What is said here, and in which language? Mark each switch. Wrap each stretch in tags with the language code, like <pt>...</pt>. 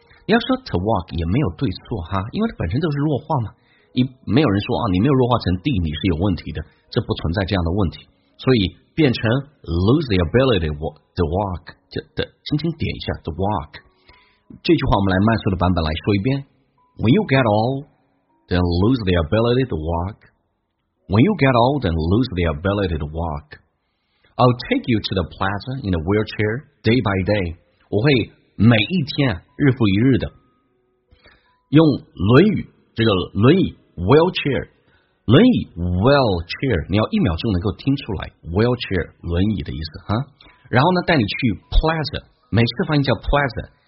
<zh>你要说 to walk 也没有对错哈，因为它本身就是弱化嘛，没有人说啊你没有弱化成 d 你是有问题的，这不存在这样的问题。所以变成</zh> <en>lose the ability to walk，</en> <zh>就轻轻点一下 the walk。这句话我们来慢速的版本来说一遍。</zh> <en>When you get old then lose the ability to walkWhen you get old and lose the ability to walk, I'll take you to the plaza in a wheelchair day by day.</en> <zh>我会每一天日复一日的用轮椅，这个轮椅 wheelchair， 轮椅 wheelchair， 你要一秒钟能够听出来 wheelchair 轮椅的意思啊。然后呢，带你去 plaza， 美式发音叫 plaza。</zh>